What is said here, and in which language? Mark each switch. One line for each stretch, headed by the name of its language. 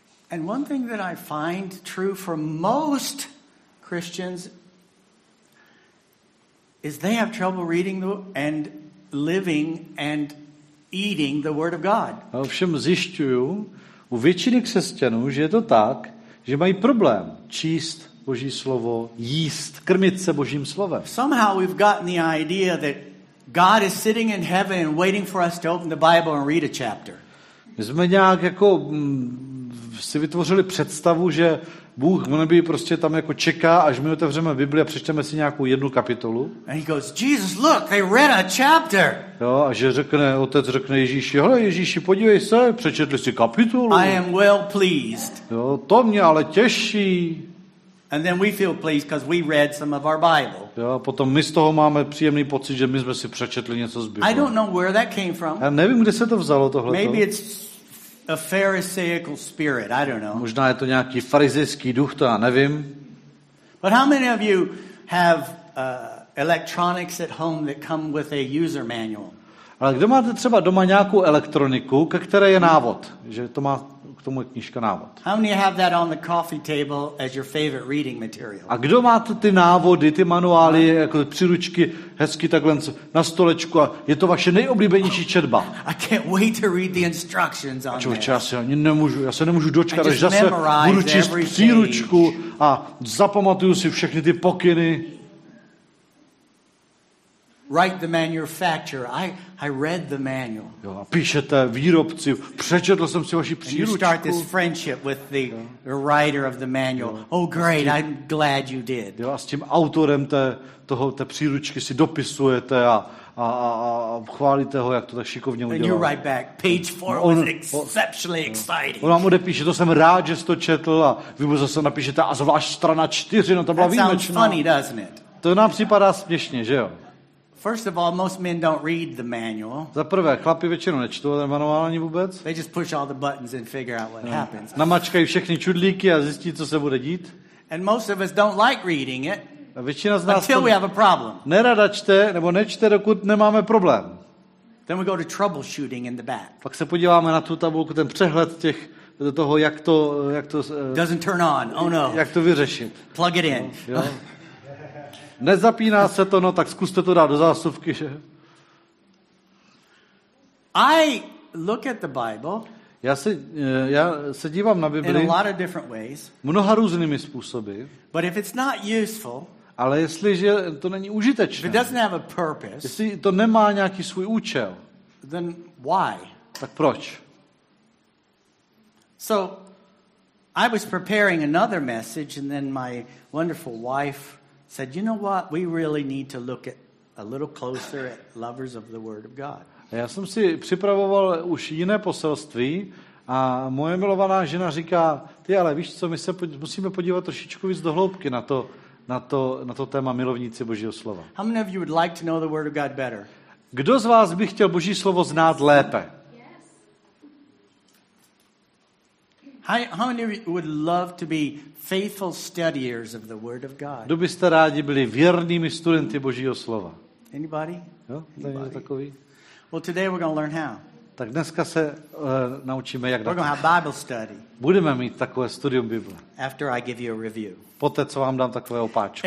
English: And one thing that I find true for most Christians is they have trouble reading and living and eating the Word of God.
Czech: A ovšem zjišťuju u většiny křesťanů, že je to tak, že mají problém číst Boží slovo, jíst, krmit se Božím slovem.
English: Somehow we've gotten the idea that God is sitting in heaven and waiting for us to open the Bible and read a chapter.
Czech: My jsme nějak jako si vytvořili představu, že Bůh v nebi prostě tam jako čeká, až my otevřeme Bibli a přečteme si nějakou jednu kapitolu.
English: And he goes, Jesus, look, they read a chapter.
Czech: Jo, a že řekne, otec řekne Ježíši, hele Ježíši, podívej se, přečetli si kapitolu.
English: I am well pleased.
Czech: Jo, to mě ale těší.
English: And then we feel pleased because we read some of our Bible.
Czech: Jo, potom my z toho máme příjemný pocit, že my jsme si přečetli něco z Bible.
English: I don't know where that came from.
Czech: Já nevím, kde se to vzalo tohleto.
English: Maybe it's a pharisaical spirit, I don't know.
Czech: Možná je to nějaký farizejský duch, to já nevím.
English: But how many of you have electronics at home that come with a user manual?
Czech: Ale kdo máte třeba doma nějakou elektroniku, ke které je návod, že to má k tomu je knížka návod?
English: How many have that on the coffee table as your favorite reading material?
Czech: A kdo máte ty návody, ty manuály, jako příručky, hezky takhle na stolečku a je to vaše nejoblíbenější četba?
English: I can't wait to read the instructions on this.
Czech: Já se nemůžu dočkat, až zase budu číst příručku a zapamatuju si všechny ty pokyny.
English: Write the manufacturer. I read the manual.
Czech: Jo, a píšete výrobci. Přečetl jsem si vaši příručku.
English: You start this friendship with the writer of the manual. Jo. Oh, great! I'm glad you did.
Czech: Jo, a s tím autorem té příručky si dopisujete a chválíte ho, jak to tak šikovně udělal.
English: And you write back, page 4 was exceptionally exciting.
Czech: On vám odepíše, to jsem rád, že jsi to četl, a vy mu zase napíšete, a zvlášť strana 4, no to byla výjimečná.
English: That sounds funny, doesn't it?
Czech: To nám připadá směšně, že jo?
English: First of all, most men don't read the manual.
Czech: Za prvé, chlapi většinou nečtou ten manuál ani vůbec.
English: They just push all the buttons and figure out what happens.
Czech: Namačkají všechny čudlíky a zjistí, co se bude dít.
English: And most of us don't like reading it.
Czech: A většina z nás
English: we have a problem.
Czech: Nerada čte, nebo nečte, dokud nemáme problém.
English: Then we go to troubleshooting in the back.
Czech: Pak se podíváme na tu tabulku, ten přehled těch toho, jak to
English: doesn't turn on. Oh no.
Czech: Jak to vyřešit?
English: Plug it in.
Czech: Jo. Nezapíná se to, no tak zkuste to dát do zásuvky, že?
English: I look at the Bible.
Czech: Já se dívám na Bibli
English: in a lot of different ways,
Czech: mnoha různými způsoby,
English: but if it's not useful,
Czech: ale jestliže to není užitečné,
English: if it doesn't have a purpose,
Czech: jestli to nemá nějaký svůj účel,
English: then why?
Czech: Tak proč?
English: So, I was preparing another message, and then my wonderful wife said, "You know what? We really need to look at a little closer at lovers of the Word of God."
Czech: Já jsem si připravoval už jiné poselství a moje milovaná žena říká, ty ale víš co, my se musíme podívat trošičku víc do hloubky na to téma milovníci Božího slova.
English: How many of you would like to know the Word of God better?
Czech: Kdo z vás by chtěl Boží slovo znát lépe?
English: How many would love to be faithful studiers of the Word of God?
Czech: Kdo byste rádi byli věrnými studenty Božího slova?
English: Anybody?
Czech: Jo, někdo takový?
English: Well, today we're going to learn how.
Czech: Tak dneska se naučíme jak.
English: We're going to have Bible study.
Czech: Budeme mít takové studium Bible.
English: After I give you a review.
Czech: Poté, co vám dám takové opáčku.